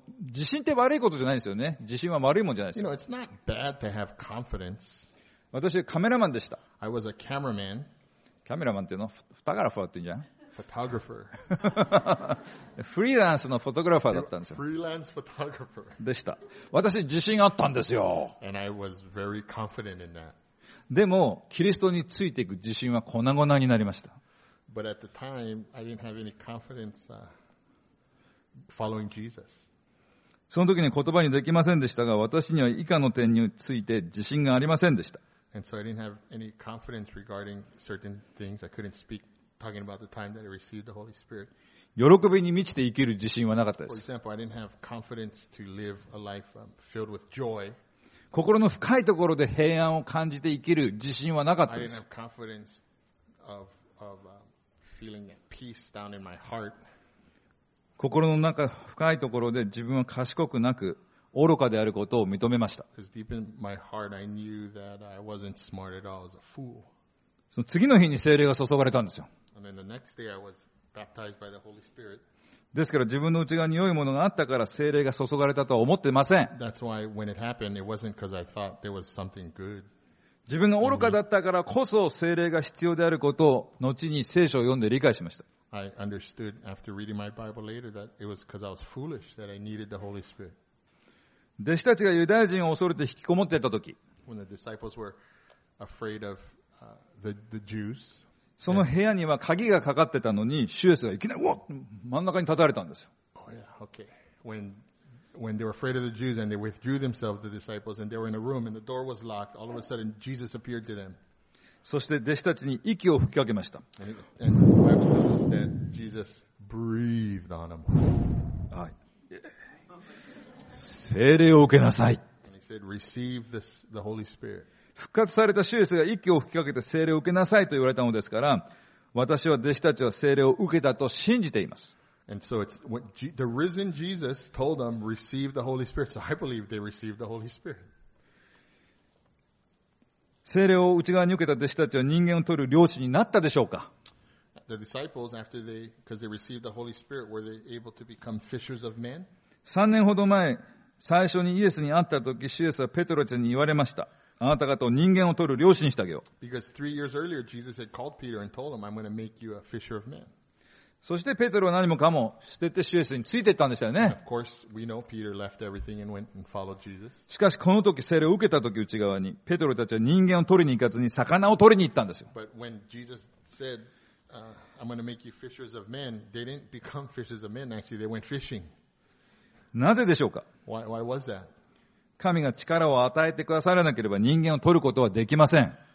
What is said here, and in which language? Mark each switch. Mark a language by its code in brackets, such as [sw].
[ja] 地震って悪いことじゃないですよね。地震は悪いもんじゃないですよ。 [en] You know, it's not bad to have confidence. [ja] 私はカメラマンでした。 [en] I was a cameraman. [ja] カメラマンっていうの?フォトグラファーって言うんじゃん。 [en] Photographer. [ja] フリーランスのフォトグラファーだったんですよ。フリーランスフォトグラファーでした。私自信あったんですよ。 [en] And I was very confident in that. [ja] でも、キリストについていく自信は粉々になりました。 [en] But at the time, I didn't have any confidence, following Jesus. [ja] その時に言葉にできませんでしたが、私には以下の点について自信がありませんでした。 [en] And so I didn't have any confidence regarding certain things. I couldn't speak. Talking about the time that I received the Holy Spirit. [ja] 喜びに満ちて生きる自信はなかったです。 [en] For example, I didn't have confidence to live a life filled with joy. [ja] 心の深いところで平安を感じて生きる自信はなかったです。 [en] I didn't have confidence of feeling peace down in my heart. [ja] 心の中深いところで自分は賢くなく愚かであることを認めました。 [en] Because deep in my heart, I knew that I wasn't smart at all, I was a fool. [ja] その次の日に聖霊が注がれたんですよ。 [en] And then the next day, I was baptized by the Holy Spirit. [ja] ですから自分の内側に良いものがあったから聖霊が注がれたとは思っていません。 [en] That's why when it happened, it wasn't because I thought there was something good. [ja] 自分が愚かだったからこそ聖霊が必要であることを後に聖書を読んで理解しました。 [en] I understood after reading my Bible later that it was because I was foolish that I needed the Holy Spirit. [ja] 弟子たちがユダヤ人を恐れて引きこもっていたとき、 [en] when the disciples were afraid of the Jews. [ja] その部屋には鍵がかかってたのに、シュエスがいきなり、うおっ真ん中に立たれたんですよ。 [en] Oh, yeah, okay. When they were afraid of the Jews and they withdrew themselves, the disciples, and they were in a room and the door was locked, all of a sudden Jesus appeared to them. [ja] そして弟子たちに息を吹きかけました。 [en] And the Bible tells us that Jesus breathed on them. [ja] はい。聖霊を受けなさい。 [en] And he said, receive the Holy Spirit. [ja] 復活されたシュエスが息を吹きかけて聖霊を受けなさいと言われたのですから、私は弟子たちは聖霊を受けたと信じています。 [en] And so it's what the risen Jesus told them, receive the Holy Spirit. So I believe they received the Holy Spirit. [ja] 聖霊を内側に受けた弟子たちは人間を取る漁師になったでしょうか？ [en] The disciples, after they, because they received the Holy Spirit, were they able to become fishers of men? [ja] 3年ほど前、最初にイエスに会ったとき、シュエスはペトロちゃんに言われました。あなた方を人間を取る漁師にしてあげよう。 [en] Because three years earlier, Jesus had called Peter and told him, I'm going to make you a fisher of men. [ja] そしてペテロは何もかも捨ててシュエスについていったんでしたよね。 [en] Of course, we know Peter left everything and went and followed Jesus. [ja] しかしこの時、聖霊を受けた時内側に、ペテロたちは人間を取りに行かずに魚を取りに行ったんですよ。 [en] But when Jesus said, I'm going to make you fishers of men, they didn't become fishers of men, actually, they went fishing. [ja] なぜでしょうか？ [en] Why was that? [ja] 神が力を与えてくださらなければ人間を取ることはできません。